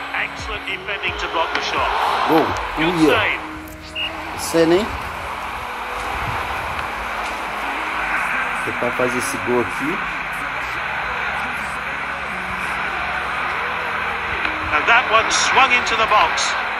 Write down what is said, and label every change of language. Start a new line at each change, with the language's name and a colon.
English: Excellent defending to block the shot. Gol. Good save. Senna, hein?
Portuguese: Vou tentar fazer esse gol aqui.
English: And that one swung into the box.